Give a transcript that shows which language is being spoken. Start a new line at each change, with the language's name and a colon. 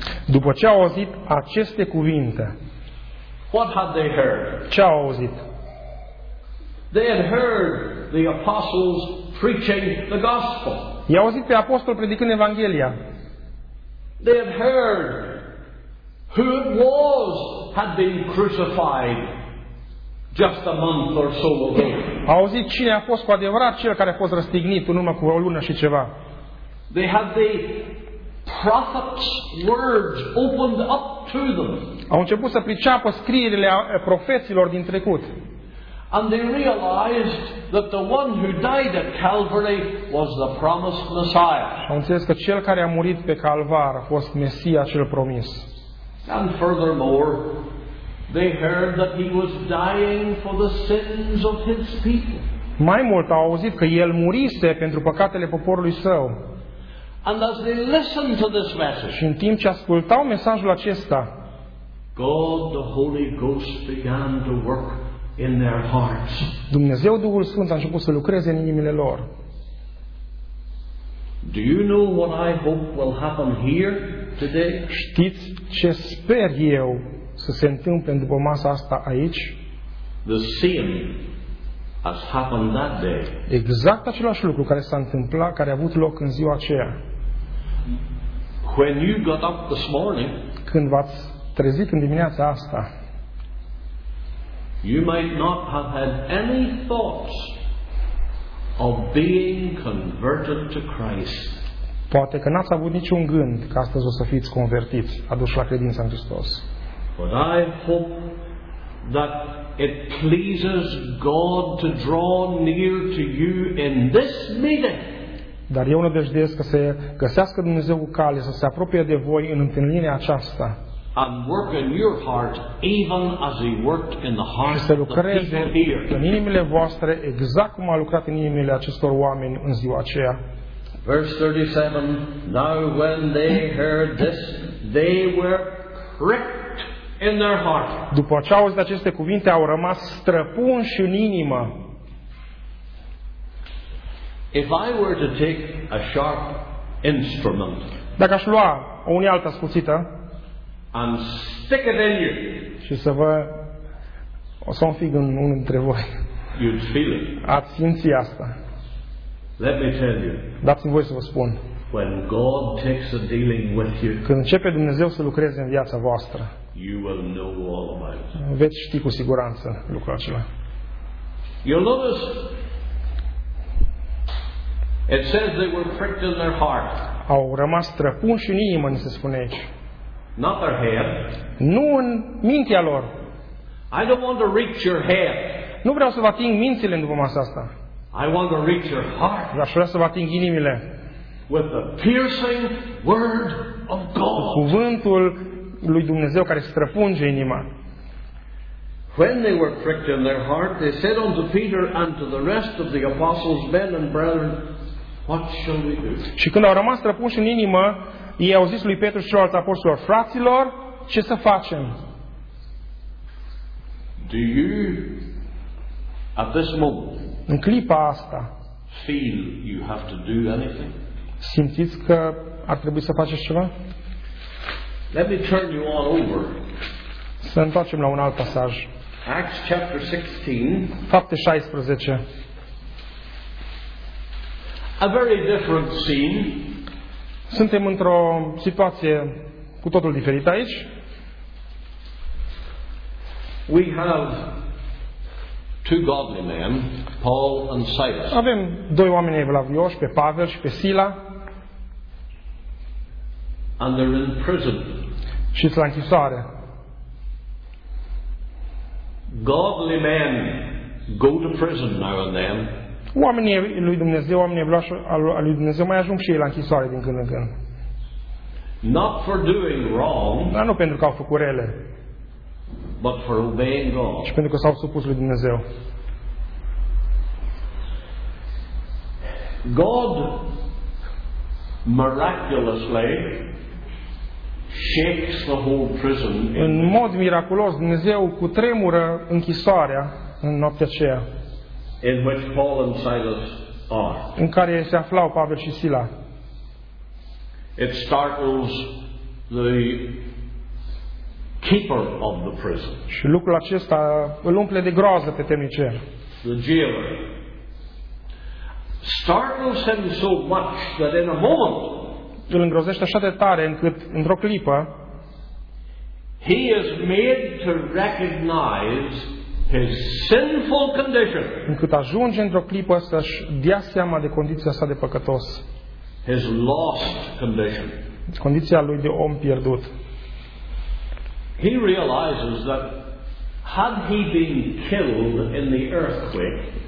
Romanian: după ce au auzit aceste cuvinte,
English: what had they heard?
Romanian: Ce au auzit?
English: They had heard the apostles preaching the gospel.
Romanian: I-au auzit pe apostol predicând Evanghelia.
English: They had heard who it was had been crucified just a month or so ago.
Romanian: Au auzit cine a fost cu adevărat cel care a fost răstignit în urmă cu o lună și ceva.
English: They had the prophet's words opened up to them.
Romanian: Au început să priceapă scrierile profeților din trecut.
English: And they realized that the one who died at Calvary was the promised Messiah.
Romanian: Au înțeles că cel care a murit pe Calvar a fost Mesia cel promis.
English: And furthermore, they heard that he was dying for the sins of his people.
Romanian: Mai mult au auzit că el murise pentru păcatele poporului său.
English: And as they listened to this message,
Romanian: și în timp ce ascultau mesajul acesta,
English: God the Holy Ghost began to work in their hearts.
Romanian: Dumnezeu Duhul Sfânt a început să lucreze în inimile lor.
English: Do you know what I hope will happen here today?
Romanian: Știți ce sper eu să se întâmple după masa asta aici?
English: The same has happened that day.
Romanian: Exact același lucru care s-a întâmplat, care a avut loc în ziua aceea.
English: When you got up this morning,
Romanian: când v-ați trezit în dimineața asta,
English: you might not have had any thoughts of being converted to Christ.
Romanian: Poate că n-ați avut niciun gând că astăzi o să fiți convertiți, aduși la credința în Hristos.
English: But I hope that it pleases God to draw near to you in this meeting.
Romanian: Dar eu nădejduiesc că se găsească Dumnezeu cale să se apropie de voi în întâlnirea aceasta.
English: And work in your heart even as he worked in the hearts of the people here.
Romanian: În inimile voastre exact cum a lucrat în inimile acestor oameni în ziua aceea.
English: Verse 37. Now when they heard this, they were pricked in their heart.
Romanian: După ce au auzit aceste cuvinte, au rămas străpunși în inimă.
English: If I were to take a sharp instrument,
Romanian: dacă aș lua o unealtă ascuțită
English: and stick it in you,
Romanian: și să vă o să o înfig în unul dintre voi,
English: you'd feel it.
Romanian: Ați simți asta.
English: Let me tell you.
Romanian: Dați-mi voie să vă spun.
English: When God takes a dealing with you,
Romanian: când începe Dumnezeu să lucreze în viața voastră,
English: you will know all about it.
Romanian: Veți ști cu siguranță lucrul acela.
English: You'll notice it says they were pricked in their heart.
Romanian: Au rămas străpunși în inimă, ni se spune aici.
English: Not their head.
Romanian: Nu în mintea lor.
English: I don't want to reach your head.
Romanian: Nu vreau să vă ating mințile după masa asta.
English: I want to reach your heart.
Romanian: Aș vrea să vă ating inimile.
English: With the piercing word of God.
Romanian: Cuvântul lui Dumnezeu care străpunge inima.
English: When they were pricked in their heart, they said unto Peter and to the rest of the apostles, men and brethren, what shall we do?
Romanian: Și când au rămas străpunși în inimă, ei au zis lui Petru și celorlalți apostolilor, fraților, ce să facem?
English: Do you at this moment,
Romanian: în clipa asta,
English: feel you have to do anything?
Romanian: Simțiți că ar trebui să faceți ceva?
English: Let me turn you all over.
Romanian: Să întoarcem la un alt pasaj.
English: Acts chapter 16.
Romanian: Fapte 16.
English: A very different scene.
Romanian: Suntem într-o situație cu totul diferită aici.
English: We have two godly men, Paul and Silas.
Romanian: Avem doi oameni evlavioși, pe Pavel și pe Sila.
English: And they're in prison.
Romanian: Și sunt la închisoare.
English: Godly men go to prison now and then.
Romanian: Oamenii lui Dumnezeu, oamenii evlavioși al lui Dumnezeu mai ajung și ei la închisoare din când în când.
English: Not for doing wrong,
Romanian: dar nu pentru că au făcut rele,
English: but for obeying God.
Romanian: Și pentru că s-au supus lui Dumnezeu.
English: God miraculously shakes the whole prison.
Romanian: În mod miraculos, Dumnezeu cutremură închisoarea în noaptea aceea,
English: in which Paul and Silas are.
Romanian: În care se aflau Pavel și Sila.
English: It startles the keeper of the prison.
Romanian: Și lucrul acesta îl umple de groază pe temnicer.
English: The jailer startles him so much that in a moment,
Romanian: îl îngrozește așa de tare încât într-o clipă,
English: he is made to recognize his sinful condition.
Romanian: Încât ajunge într-o clipă să-și dea seama de condiția sa de păcătos.
English: His lost condition.
Romanian: Condiția lui de om pierdut.
English: He realizes that had he been killed in the earthquake,